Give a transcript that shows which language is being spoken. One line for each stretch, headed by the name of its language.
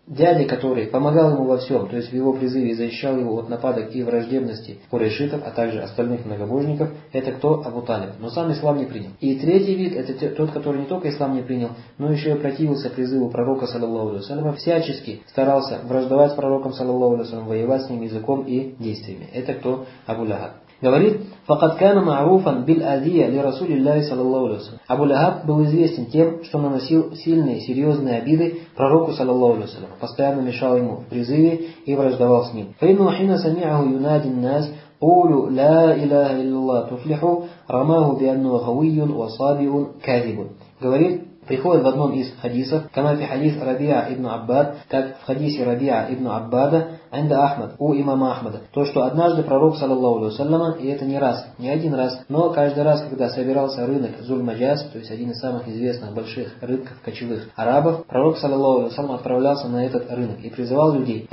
Russian: Дяди, который помогал ему во всем, то есть в его призыве защищал его от нападок и враждебности курайшитов, а также остальных многобожников, это кто? Абу Талиб. Но сам ислам не принял. И третий вид, это тот, который не только ислам не принял, но еще и противился призыву пророка, саллаллаху алейхи ва саллям, всячески старался враждовать с пророком, саллаллаху алейхи ва саллям, воевать с ним языком и действиями. Это кто? Абу Лахаб.
Arabic: Говорит, فقد كان معروفا بالأذية لرسول الله صلى الله عليه وسلم.
Russian: Абу Лахаб был известен тем, что наносил сильные, серьезные обиды пророку, саллаллаху алейхи ва саллям, постоянно мешал ему в призыве и враждовал с ним.
Arabic: فإنه حين سمعه ينادي الناس قولوا لا إله إلا الله تفلحوا رماه بأنه غوي وصابع كاذب.
Russian: Говорит, приходит в одном из хадисов,
Arabic: كما في حديث ربيعة ابن عباد,
Russian: как в хадисе ربيعة ابن عبادة,
Arabic: عند أحمد,
Russian: у имама Ахмада, то, что однажды пророк, саллаллаху алейхи ва саллям, и это не раз, не один раз, но каждый раз, когда собирался рынок Зуль-Маджаз, то есть один из самых известных больших рынков кочевых арабов, пророк, саллаллаху алейхи ва саллям, отправлялся на этот рынок и призывал людей.